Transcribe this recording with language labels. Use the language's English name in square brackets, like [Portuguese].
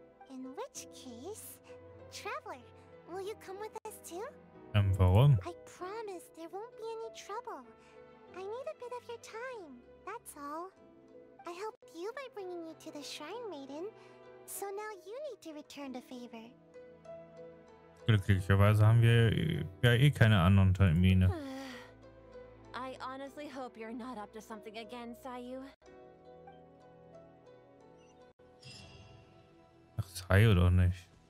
[English] In which case, Traveler, will you come with us too? [German] Warum? [English] I promise there won't be any trouble. I need a bit of your time, that's all. I helped you by bringing you to the Shrine Maiden, so now you need to return the favor. [German] Glücklicherweise haben wir ja eh keine anderen Termine. [English] I honestly hope you're not up to something again, Sayu. [German] Ach, Sayu doch nicht.